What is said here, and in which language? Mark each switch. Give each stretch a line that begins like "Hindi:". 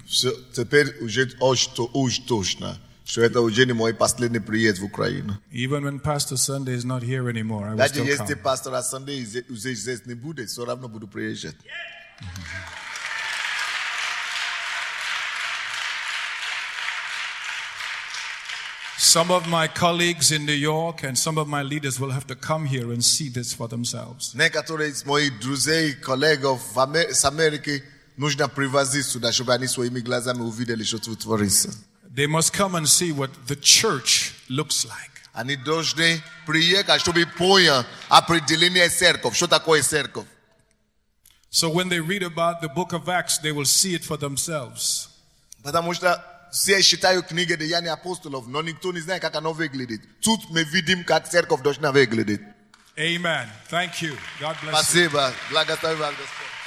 Russian: Все, теперь уже точно, что это уже не мой последний приезд в Украину.
English: Even when Pastor Sunday is not here anymore, I will still come.
Russian: Даже если Pastor Sunday уже здесь не будет, все равно буду приезжать.
English: Some of my colleagues in New York and some of my leaders will have to come here and see this for themselves.
Russian: Некоторые из моих друзей, коллег с Америки нужно привозить сюда, чтобы они своими глазами увидели, что тут творится.
English: They must come and see what the church looks like.
Russian: Они должны приехать, чтобы понять определение церковь, что такое церковь.
English: So when they read about the book of Acts, they will see it for themselves.
Russian: Потому что все считают книги Деяния апостолов, но никто не знает, как оно выглядит. Тут мы видим, как церковь должна выглядеть.
English: Amen. Thank you. God bless you.
Russian: Спасибо. Благодарю вас, Господь.